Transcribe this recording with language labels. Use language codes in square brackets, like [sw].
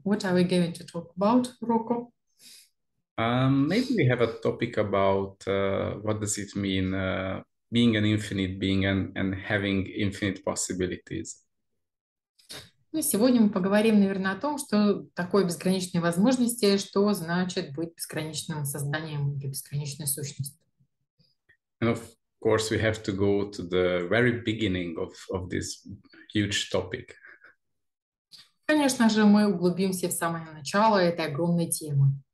[en] What are we going to talk about, Руко? Maybe we have a topic about what does it mean being an infinite being and having infinite possibilities. [ru] Ну, сегодня мы поговорим, наверное, о том, что такое безграничные возможности, что значит быть бесконечным созданием или бесконечной сущностью. [en] And of course, we have to go to the very beginning of this huge topic. [ru] Конечно же, мы углубимся в самое начало этой огромной темы.